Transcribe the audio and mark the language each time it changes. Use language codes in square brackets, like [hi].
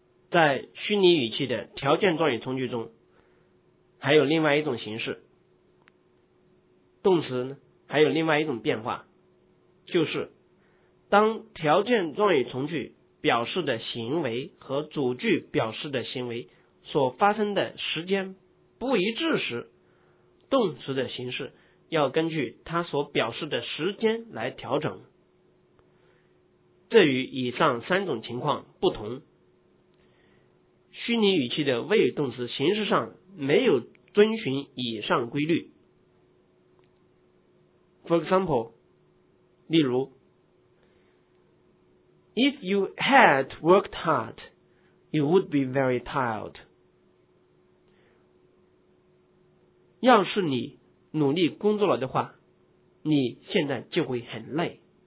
[zh] 在虚拟语气的条件状语从句中还有另外一种形式，动词呢还有另外一种变化，就是当条件状语从句表示的行为和主句表示的行为所发生的时间不一致时，动词的形式要根据它所表示的时间来调整。这与以上三种情况不同，虚拟语气的谓语动词形式上没有遵循以上规律。 [en] For example， [zh] 例如 [en] If you had worked hard, you would be very tired. [zh] 要是你努力工作了的话，你现在就会很累。